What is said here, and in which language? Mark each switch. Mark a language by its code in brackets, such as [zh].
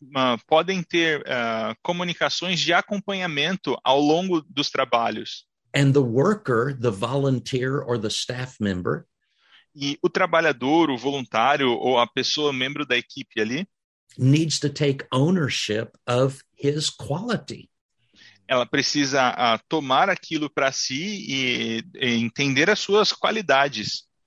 [pt] E em cima disso, podem ter comunicações de acompanhamento ao longo dos trabalhos. [en] And the worker, the volunteer or the staff member. [pt] E o trabalhador, o voluntário ou a pessoa membro da equipe ali. [en] Needs to take ownership of his quality. [pt] Ela precisa tomar aquilo para si e entender as suas qualidades.